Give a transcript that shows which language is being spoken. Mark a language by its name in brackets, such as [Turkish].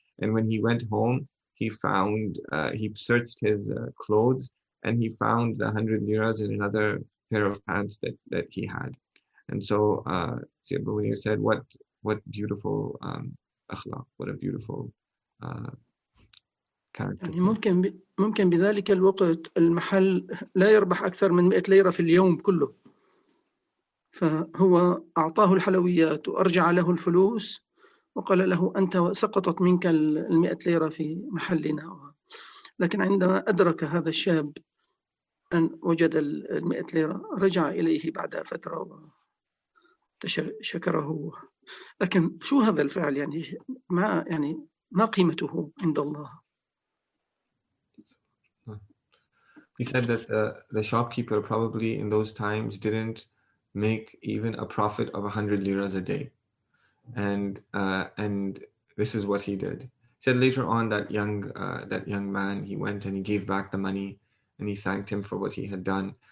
[English] And when he went home, he found, he searched his clothes and he found the 100 liras in another pair of pants that he had. And so Sayyidina Ali said, what beautiful akhlaq, what a beautiful [Arabic] يعني ممكن ممكن بذلك الوقت المحل لا يربح أكثر من 100 ليرة في اليوم كله، فهو أعطاه الحلويات وأرجع له الفلوس وقال له أنت سقطت منك 100 ليرة في محلنا. لكن عندما أدرك هذا الشاب أن وجد 100 ليرة رجع إليه بعد فترة وشكره. لكن شو هذا الفعل؟ يعني ما قيمته عند الله؟ [English] He said that the shopkeeper probably in those times didn't make even a profit of 100 liras a day. And this is what he did. He said later on that young man, he went and he gave back the money and he thanked him for what he had done.